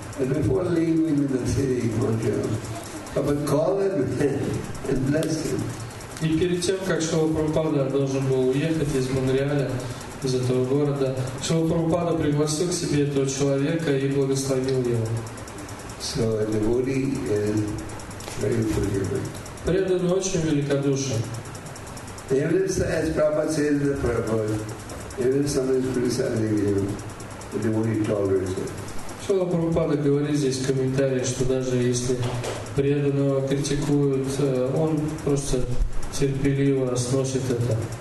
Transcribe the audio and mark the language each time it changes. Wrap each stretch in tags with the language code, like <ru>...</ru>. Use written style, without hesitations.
<ru>И перед тем, как Шрила Прабхупада должен был уехать из Монреаля, из этого города, Шрила Прабхупада пригласил к себе этого человека и благословил его.</ru> <en>So a devotee is very forgiving.</en> <ru>Преданный очень великодушен.</ru> <en>As Prabhupada says in the Prabhupada, even if someone is criticizing you, the devotee tolerates it.</en> <ru>Шрила Прабхупада говорит здесь в комментариях, что даже если преданного критикуют, он просто терпеливо сносит это.</ru>